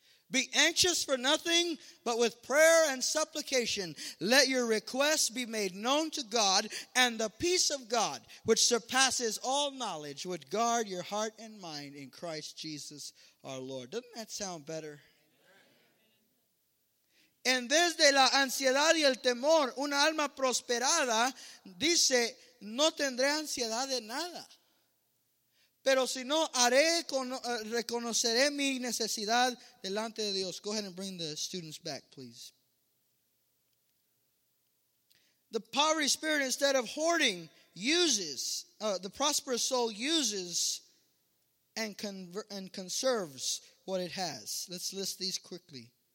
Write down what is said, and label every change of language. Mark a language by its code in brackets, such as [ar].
[en] Be anxious for nothing, but with prayer and supplication, let your requests be made known to God, and the peace of God, which surpasses all knowledge, would guard your heart and mind in Christ Jesus our Lord. Doesn't that sound better? [es] En vez de la ansiedad y el temor, una alma prosperada dice, no tendré ansiedad de nada. Pero si no, haré, reconoceré mi necesidad delante de Dios. [en] Go ahead and bring the students back, please. The poverty spirit, instead of hoarding, uses, the prosperous soul uses and conserves what it has. Let's list these quickly.